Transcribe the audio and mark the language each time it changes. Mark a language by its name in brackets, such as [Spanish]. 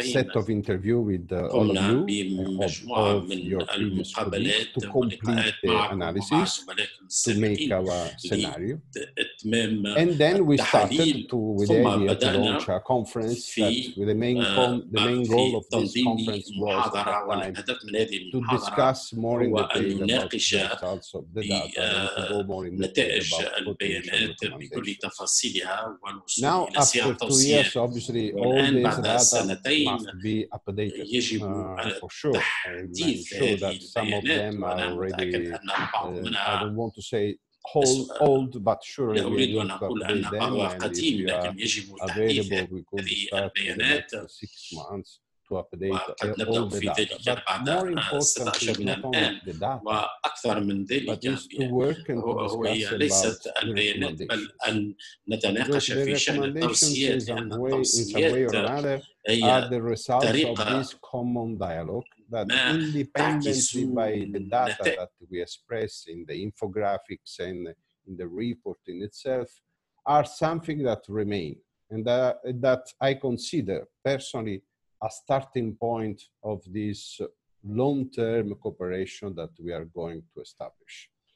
[English] a set of interview with all of you of your previous colleagues to complete the analysis to make our scenario. And then we started to with the idea to launch a conference that with the main goal of this conference was to discuss more in detail about the results of the data. [Arabic] نتائج البيانات بكل تفاصيلها والوصول الى سياق التوصية والان بعد سنتين يجب تحديث هذه البيانات وانا اتاكد ان البعض منها [English] old but surely [Arabic] لا أريد أن أقول أن بعضها قديم لكن يجب تحديث هذه البيانات وقد نبدأ في ذلك بعد 16 من الآن وأكثر من ذلك هي ليست البيانات بل أن نتناقش في شأن التوصيات لأن التوصيات هي طريقة [English] that independently by the data that we express in the infographics and in the report in itself are something that remain and that I consider personally a starting point of this long-term cooperation that we are going to establish.